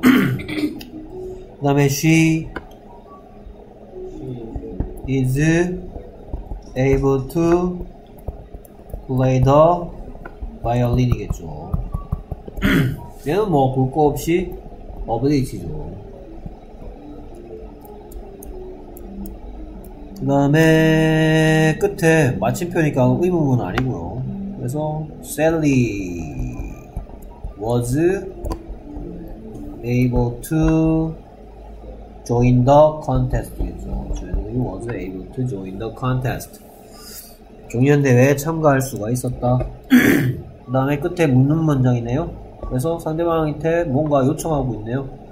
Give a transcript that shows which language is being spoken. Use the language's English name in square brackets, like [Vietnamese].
[Korean] 그 다음에 [English] she is able to play the violin이겠죠. [Korean] 얘는 뭐 볼 거 없이 ability죠. 그 다음에 끝에 마침표니까 의문문 아니고요. 그래서 [English] Sally was able to join the contest. Sally was able to join the contest. [Korean] 종현대회에 참가할 수가 있었다. 그 다음에 끝에 묻는 문장이네요. 그래서 상대방한테 뭔가 요청하고 있네요.